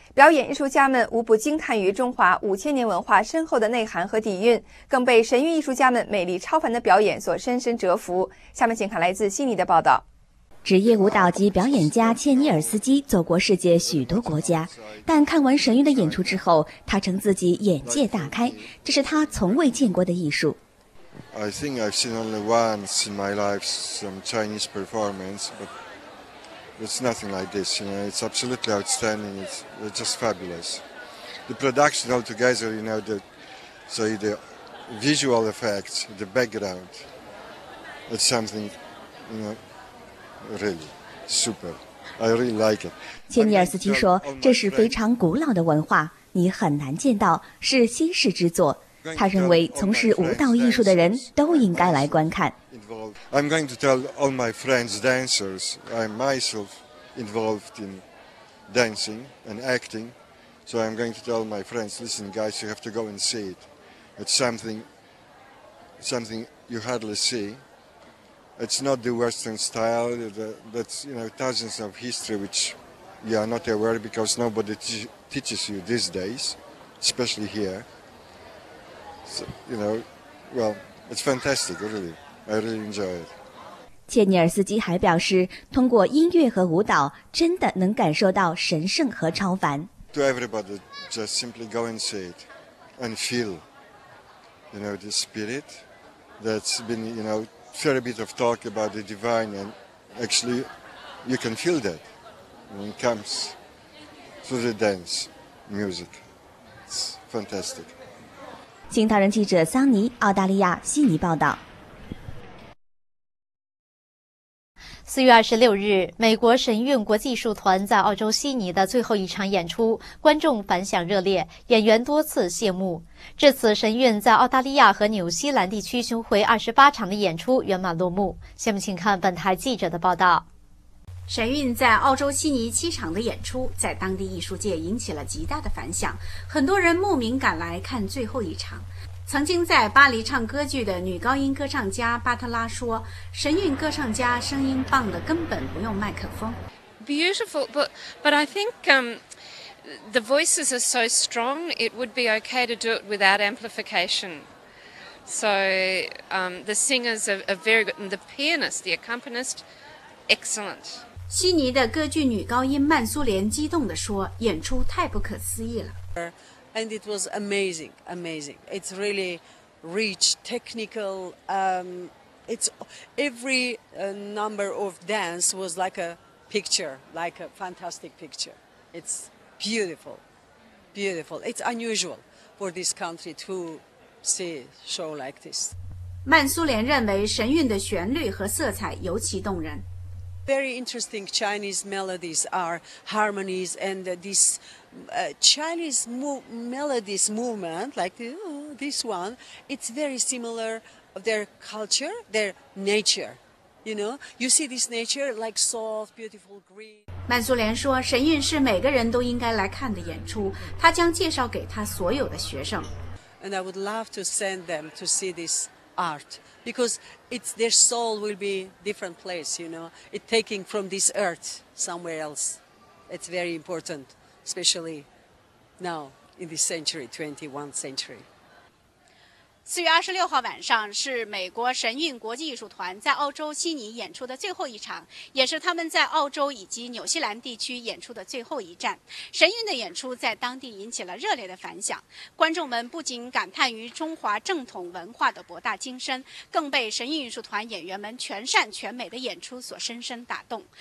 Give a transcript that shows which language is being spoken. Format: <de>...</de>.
<zh>表演艺术家们无不惊叹于中华5000年文化深厚的内涵和底蕴，更被神韵艺术家们美丽超凡的表演所深深折服。下面请看来自悉尼的报道。职业舞蹈及表演家切尼尔斯基走过世界许多国家，但看完神韵的演出之后，他称自己眼界大开，这是他从未见过的艺术。</zh> <en>I think I've seen only once in my life some Chinese performance, but it's nothing like this. You know, it's absolutely outstanding. It's just fabulous. The production altogether, you know, the visual effects, the background, it's something, you know. Really, super. I really like it.</en> <zh>切尼尔斯基说，这是非常古老的文化，你很难见到，是稀世之作。他认为从事舞蹈艺术的人都应该来观看。</zh> <en>I'm going to tell all my friends dancers, I'm myself involved in dancing and acting. So I'm going to tell my friends, listen guys, you have to go and see it. It's something you hardly see. It's not the Western style, that's, you know, thousands of history which you are not aware of because nobody teaches you these days, especially here. So, you know, well, it's fantastic, really. I really enjoy it.</en> <zh>切尼尔斯基还表示，通过音乐和舞蹈真的能感受到神圣和超凡。</zh> <en>To everybody, just simply go and see it and feel, you know, the spirit that's been, you know,fair bit of talk about the divine, and actually you can feel that when it comes through the dance music. It's fantastic.</en> <zh>新唐人记者桑尼，澳大利亚悉尼报道。 4月26日，美国神韵国际艺术团在澳洲悉尼的最后一场演出，观众反响热烈，演员多次谢幕。至此，神韵在澳大利亚和纽西兰地区巡回28场的演出圆满落幕。下面请看本台记者的报道。神韵在澳洲悉尼7场的演出，在当地艺术界引起了极大的反响，很多人慕名赶来看最后一场。曾经在巴黎唱歌剧的女高音歌唱家巴特拉说，神韵歌唱家声音棒得根本不用麦克风。</zh> <en>Beautiful, but I think the voices are so strong, it would be okay to do it without amplification. So the singers are very good. And the pianist, the accompanist, excellent.</en> <zh>悉尼的歌剧女高音曼苏莲激动地说，演出太不可思议了。</zh> <en>And it was amazing, amazing. It's really rich, technical. It's every number of dance was like a picture, like a fantastic picture. It's beautiful, beautiful. It's unusual for this country to see show like this.</en> <zh>曼苏莲认为神韵的旋律和色彩尤其动人。</zh> <en>Very interesting Chinese melodies are harmonies and this Chinese melodies movement, like this one, it's very similar of their culture, their nature. You know, you see this nature like soft, beautiful green.</en> <zh>曼苏莲说，神韵是每个人都应该来看的演出，他将介绍给他所有的学生。</zh> <en>And I would love to send them to see this art. Because it's their soul will be different place, you know. It taking from this earth somewhere else. It's very important, especially now in this century, 21st century.</en> <zh>4月26号晚上是美国神韵国际艺术团在澳洲悉尼演出的最后一场，也是他们在澳洲以及纽西兰地区演出的最后一站。神韵的演出在当地引起了热烈的反响，观众们不仅感叹于中华正统文化的博大精深，更被神韵艺术团演员们全善全美的演出所深深打动。</zh>